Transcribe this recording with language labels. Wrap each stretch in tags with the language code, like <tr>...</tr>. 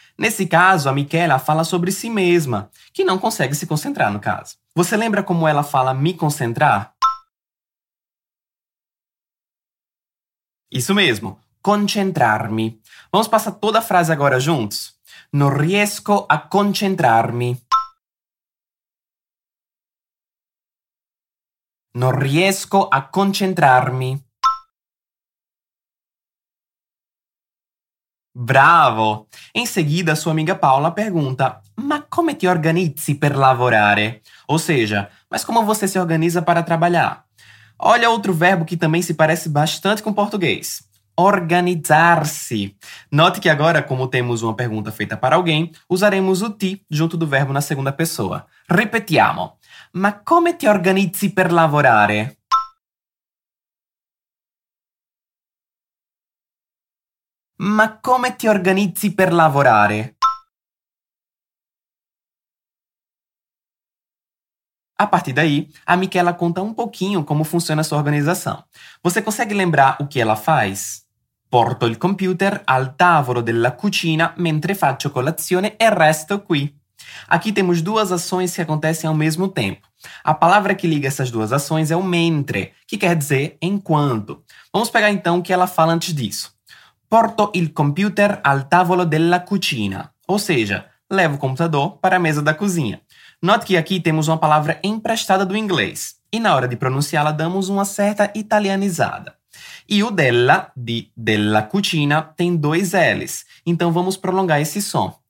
<pt>Nesse caso, a Michela fala sobre si mesma, que não consegue se concentrar, no caso. Você lembra como ela fala me concentrar? Isso mesmo, concentrar-me. Vamos passar toda a frase agora juntos?</pt> <it>Non riesco a concentrar-me. Non riesco a concentrar-me.</it> <pt>Bravo! Em seguida, sua amiga Paula pergunta:</pt> <it>ma come ti organizzi per lavorare?</it> <pt>Ou seja, mas como você se organiza para trabalhar? Olha outro verbo que também se parece bastante com português. Organizar-se. Note que agora, como temos uma pergunta feita para alguém, usaremos o ti junto do verbo na segunda pessoa.</pt> <it>Repetiamo. Ma come ti organizzi per lavorare? Ma come ti organizzi per lavorare?</it> <pt>A partir daí, a Michaela conta um pouquinho como funciona a sua organização. Você consegue lembrar o que ela faz?</pt> <it>Porto il computer al tavolo della cucina mentre faccio colazione e resto qui.</it> <pt>Aqui temos duas ações que acontecem ao mesmo tempo. A palavra que liga essas duas ações é o mentre, que quer dizer enquanto. Vamos pegar então o que ela fala antes disso.</pt> <it>Porto il computer al tavolo della cucina.</it> <pt>Ou seja, levo o computador para a mesa da cozinha. Note que aqui temos uma palavra emprestada do inglês. E na hora de pronunciá-la, damos uma certa italianizada. E o della, de della cucina, tem dois L's. Então vamos prolongar esse som.</pt>